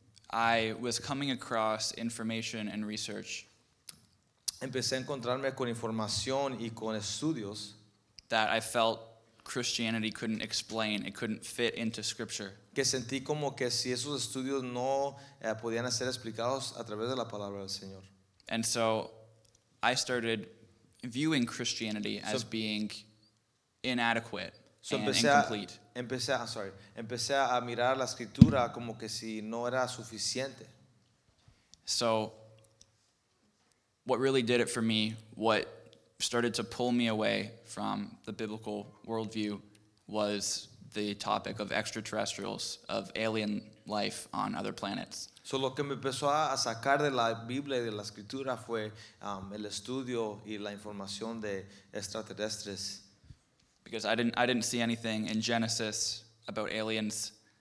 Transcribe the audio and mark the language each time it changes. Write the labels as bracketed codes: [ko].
[en] I was coming across information and research. [es] Empecé a encontrarme con información y con estudios [en] that I felt Christianity couldn't explain. It couldn't fit into Scripture. [es] Que sentí como que si esos estudios no podían ser explicados a través de la palabra del Señor. [en] And so I started viewing Christianity as being inadequate [es] Empecé a mirar la Escritura como que si no era suficiente. [en] So what really did it for me, what started to pull me away from the biblical worldview, was the topic of extraterrestrials, of alien life on other planets. [es] So lo que me empezó a sacar de la Biblia y de la Escritura fue el estudio y la información de extraterrestres. [en] Because I didn't see anything in Genesis about aliens.